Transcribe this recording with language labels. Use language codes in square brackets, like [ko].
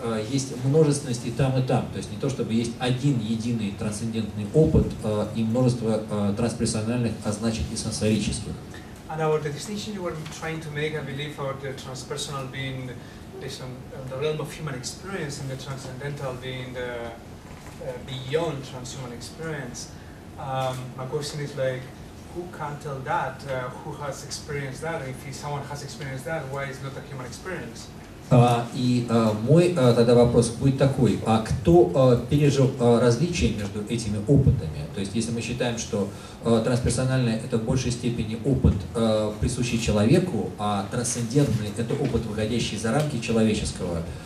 [ru] Есть множественность и там, и там. То есть не то, чтобы есть один единый трансцендентный опыт и множество трансперсональных, а значит и самсарических. [en] And about the distinction you were trying to make, I believe, about the transpersonal being the realm of human experience and the transcendental being the beyond transhuman experience. My question is who can tell that? Who has experienced that? If someone has experienced that, why is not a human experience? [ru] Тогда вопрос будет такой. А кто пережил различие между этими опытами? То есть если мы считаем, что трансперсональный — это в большей степени опыт, присущий человеку, а трансцендентный — это опыт, выходящий за рамки человеческого,